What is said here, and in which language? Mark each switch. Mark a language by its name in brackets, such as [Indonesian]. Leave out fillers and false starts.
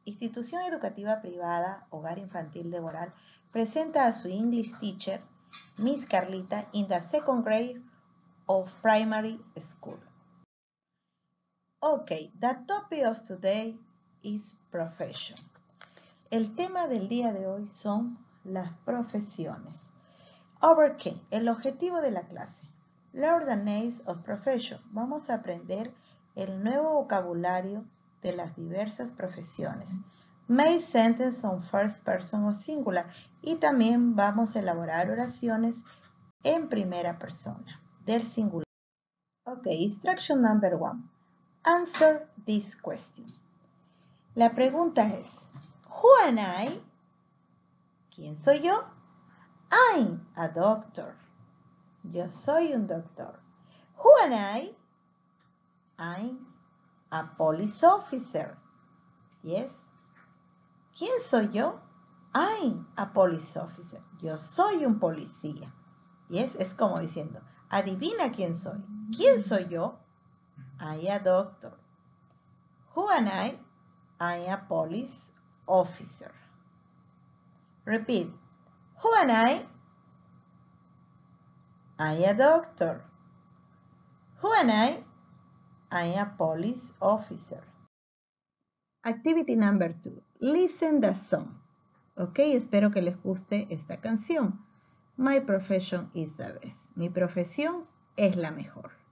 [Spanish] Institución educativa privada, hogar infantil de Boral, presenta a su [English] English teacher, Miss Carlita, in the second grade of primary school. Okay, the topic of today is profession. [Spanish] El tema del día de hoy son las profesiones. [English] Overcame, [Spanish] el objetivo de la clase. [English] Learn the names of profession. [Spanish] Vamos a aprender el nuevo vocabulario de las diversas profesiones. [English] Make sentences on first person o singular. [Spanish] Y también vamos a elaborar oraciones en primera persona del singular. [English] Ok, instruction number one. Answer this question. [Spanish] La pregunta es, [English] who am I? [Spanish] ¿Quién soy yo? [English] I'm a doctor. [Spanish] Yo soy un doctor. [English] Who am I? I'm a police officer. Yes. [Spanish] ¿Quién soy yo? [English] I'm a police officer. [Spanish] Yo soy un policía. [English] Yes. [Spanish] Es como diciendo, adivina quién soy. ¿Quién soy yo? [English] I'm a doctor. Who am I? I'm a police officer. Repeat. Who am I? I'm a doctor. Who am I? I'm a police officer. Activity number two. Listen the song. [Spanish] Ok, espero que les guste esta canción. [English] My profession is the best. [Spanish] Mi profesión es la mejor.